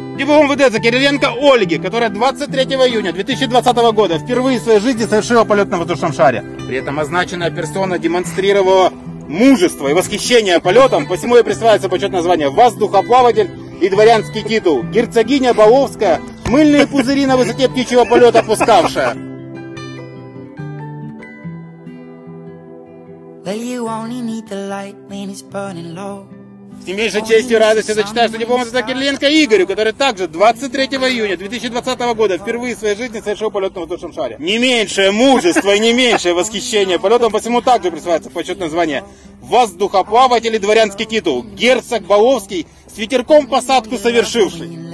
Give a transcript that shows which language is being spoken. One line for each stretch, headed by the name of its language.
Russian: диплом выдается Кириленко Ольге, которая 23 июня 2020 года впервые в своей жизни совершила полет на воздушном шаре. При этом означенная персона демонстрировала мужество и восхищение полетом, посему ей присваивается почетное звание «Воздухоплаватель» и дворянский титул «Герцогиня Баловская, мыльные пузыри на высоте птичьего полета пускавшая».
English: Well, you only need the light when it's burning low.
Russian: С не меньшей честью и радостью зачитаю, что диплом за Кириленко Игорю, который также 23 июня 2020 года впервые в своей жизни совершил полет на воздушном шаре. Не меньшее мужество и не меньшее восхищение полетом, посему также присваивается почетное звание «Воздухоплаватель» и дворянский титул «Герцог Баловский, с ветерком посадку совершивший».